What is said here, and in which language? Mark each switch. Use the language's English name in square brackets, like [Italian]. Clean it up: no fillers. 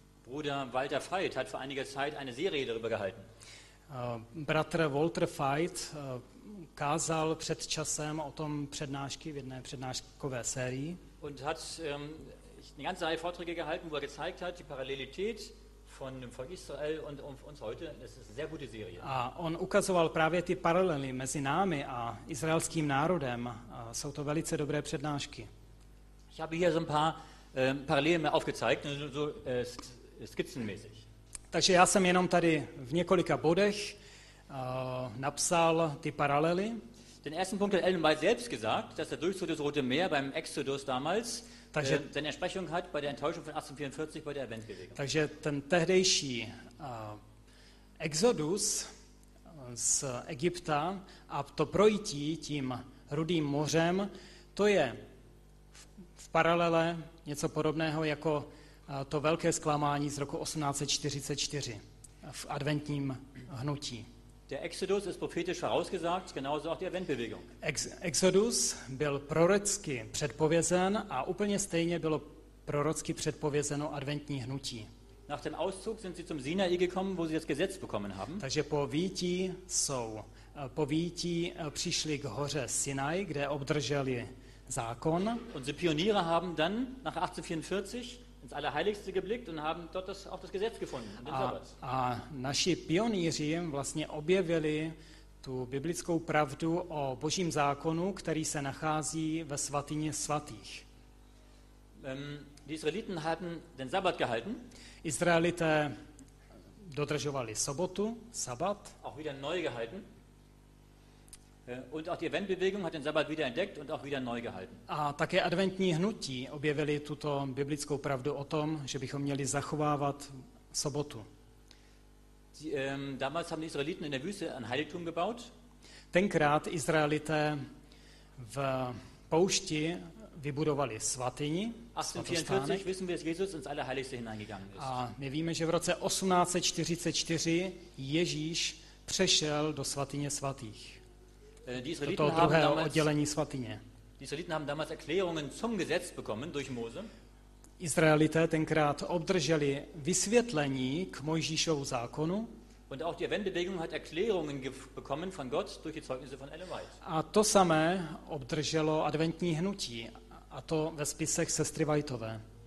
[German] Bruder Walter Veit hat vor einiger Zeit eine Serie darüber gehalten. [Czech] Bratr Walter Veit kázal před časem o tom přednášky v jedné přednáškové sérii. [German] Und hat eine ganze Reihe Vorträge gehalten, wo er gezeigt hat, die Parallelität von dem Volk Israel und uns heute. Das ist eine sehr gute Serie. [Czech] A on ukazoval právě ty paralely mezi námi a izraelským národem. Jsou to velice dobré přednášky. [German] Ich habe hier so ein paar Parallelen aufgezeigt, so skizzenmäßig. [Czech] Takže já jsem jenom tady v několika bodech napsal ty paralely. [German] Den ersten Punkt hat Ellen White selbst gesagt, dass der Durchzug des Roten Meer beim Exodus damals [Czech] takže, [German] seine Entsprechung hat bei der Enttäuschung von 1844 bei der Eventbewegung. [Czech] Takže ten tehdejší Exodus z Egypta a to projití tím Rudým mořem, to je v paralele něco podobného jako to velké zklamání z roku 1844 v adventním hnutí. [German] Der Exodus ist prophetisch vorausgesagt, genauso auch die Eventbewegung. [Czech] Exodus byl prorocky předpovězen a úplně stejně bylo prorocky předpovězeno adventní hnutí. [German] Nach dem Auszug sind sie zum Sinai gekommen, wo sie das Gesetz bekommen haben. [Czech] Takže po výjití přišli k hoře Sinai, kde obdrželi zákon. [German] Unsere Pioniere haben dann nach 1844 ins Allerheiligste geblickt und haben dort das, auch das Gesetz gefunden. [Czech] A naši pionýři vlastně objevili tu biblickou pravdu o Božím zákonu, který se nachází ve svatyni svatých. [German] Die Israeliten hatten den Sabbat gehalten. [Czech] Izraelité dodržovali sobotu, sabbat. [German] Auch wieder neu gehalten. Und auch die Eventbewegung hat den Sabbat wieder entdeckt und auch wieder neu gehalten. [Czech] A také adventní hnutí objevili tuto biblickou pravdu o tom, že bychom měli zachovávat sobotu. [German] Damals haben die Israeliten in der Wüste ein Heiligtum gebaut. [Czech] Tenkrát Izraelité v poušti vybudovali svatyni. [German] 1844 wissen wir, dass Jesus ins Allerheiligste hineingegangen ist. [Czech] A my víme, že v roce 1844 Ježíš přešel do svatyně svatých. [German] Die Israeliten haben damals Erklärungen zum Gesetz bekommen durch Mose. [Czech] Izraelité tenkrát obdrželi vysvětlení k Mojžíšovu zákonu. [German] Und auch die Wendebewegung hat Erklärungen bekommen von Gott durch die Zeugnisse von Ellen White. [Czech] A to samé obdrželo adventní hnutí, a to ve spisech sestry Whiteové.